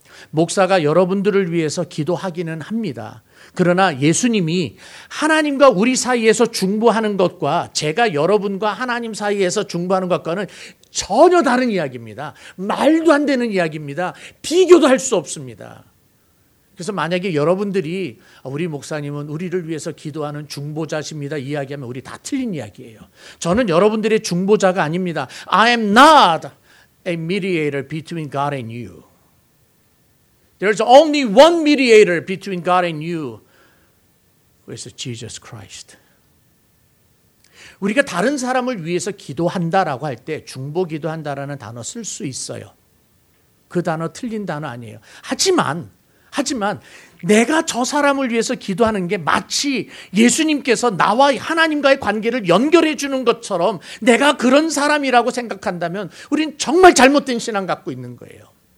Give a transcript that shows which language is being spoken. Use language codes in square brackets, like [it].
[ko] 목사가 여러분들을 위해서 기도하기는 합니다. 그러나 예수님이 하나님과 우리 사이에서 중보하는 것과 제가 여러분과 하나님 사이에서 중보하는 것과는 전혀 다른 이야기입니다. 말도 안 되는 이야기입니다. 비교도 할 수 없습니다. 그래서 만약에 여러분들이 우리 목사님은 우리를 위해서 기도하는 중보자십니다 이야기하면 우리 다 틀린 이야기예요. 저는 여러분들의 중보자가 아닙니다. [en] I am not a mediator between God and you. There's only one mediator between God and you, who is Jesus Christ. [ko] 우리가 다른 사람을 위해서 기도한다라고 할 때 중보 기도한다라는 단어 쓸 수 있어요. 그 단어 틀린 단어 아니에요. 하지만 내가 저 사람을 위해서 기도하는 게 마치 예수님께서 나와 하나님과의 관계를 연결해 주는 것처럼 내가 그런 사람이라고 생각한다면 우린 정말 잘못된 신앙 갖고 있는 거예요.